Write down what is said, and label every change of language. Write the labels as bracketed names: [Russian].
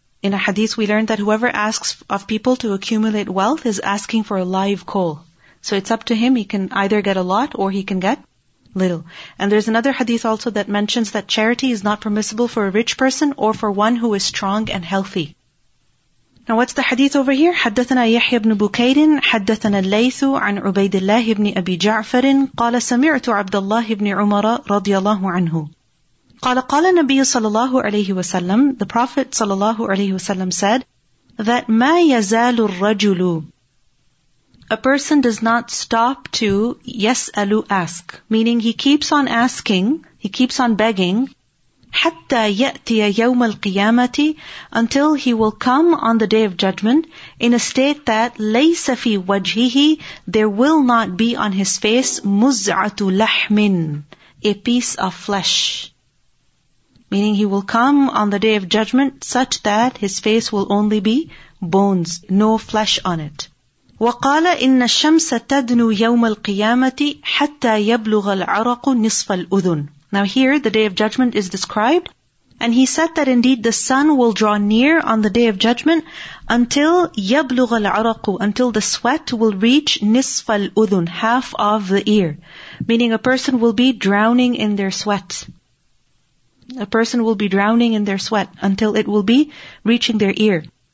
[English] In a hadith we learned that whoever asks of people to accumulate wealth is asking for a live coal. So it's up to him. He can either get a lot or he can get little. And there's another hadith also that mentions that charity is not permissible for a rich person or for one who is strong and healthy. Now what's the hadith over here? [Arabic] حدثنا يحيى بن بكير حدثنا الليث عن عبيد الله بن أبي جعفر قال سمعت عبد الله بن عمر رضي الله عنه قال قال النبي صلى الله عليه وسلم. [English] The Prophet صلى الله عليه وسلم said that [Arabic] ما يزال الرجل, [English] a person does not stop to يسأل, ask, meaning he keeps on asking, he keeps on begging, [Arabic] حتى يأتي يوم القيامة, [English] until he will come on the day of judgment in a state that [Arabic] ليس في وجهه, [English] there will not be on his face [Arabic] مزعة لحم, [English] a piece of flesh. Meaning he will come on the day of judgment such that his face will only be bones, no flesh on it. [Arabic] وقال إن الشمس تدنو يوم القيامة حتى يبلغ العرق نصف الأذن. [English] Now here, the Day of Judgment is described. And he said that indeed the sun will draw near on the Day of Judgment until [Arabic] يَبْلُغَ الْعَرَقُ, [English] until the sweat will reach [Arabic] نِصْفَ الْأُذُنِ, [English] half of the ear. Meaning a person will be drowning in their sweat. A person will be drowning in their sweat until it will be reaching their ear.